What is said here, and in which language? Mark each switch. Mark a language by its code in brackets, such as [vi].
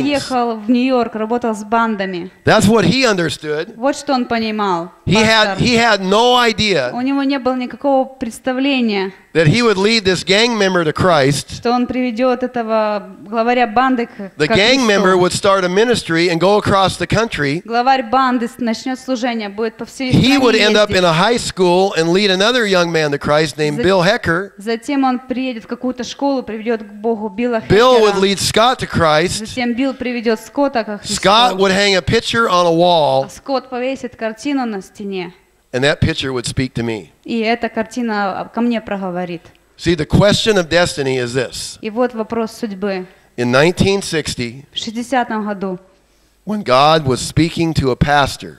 [ru] Поехал в Нью-Йорк, работал с бандами. [en] That's what he understood. [ru] Вот что он понимал. [en] He had no idea. [ru] У него не было никакого представления. [en] That he would lead this gang member to Christ. [ru] Что он приведет этого главаря банды к Христу. [en] The gang member would start a ministry and go across the country. [ru] Главарь банды начнет служение, будет по всей стране. [en] He would end up in a high school and lead another young man to Christ named Bill Hecker. [ru] Затем он приедет в какую-то школу. [en] Bill would lead Scott to Christ. [ru] Затем Билл приведет Скотта к Христу. [en] Scott would hang a picture on a wall. [ru] Скотт повесит картину на стене. [en] And that picture would speak to me. [ru] И эта картина ко мне проговорит. [en] See, the question of destiny is this. [ru] И вот вопрос судьбы. [en] In 1960. [ru] В 60-м году. [en] When God was speaking to a pastor.